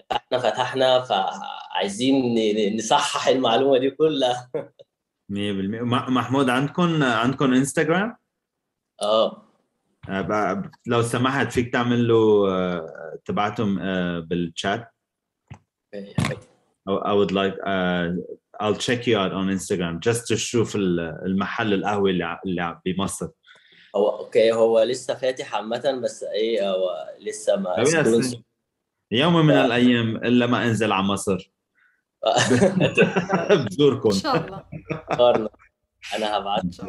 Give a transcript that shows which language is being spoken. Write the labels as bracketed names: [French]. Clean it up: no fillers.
[Arabic] فاحنا فعايزين نصحح المعلومة دي كلها. 100%. محمود عندكم انستغرام؟ لو سمحت فيك تعمل له تبعتهم بالشات. [English] I would like I'll check you out on Instagram just to [Arabic] شوف المحل القهوة اللي بمصر. أوكي هو لسه فاتح عامة، بس إيه هو لسه ما يوم من الأيام إلا ما أنزل على مصر بزوركم إن شاء الله. أنا هبعت.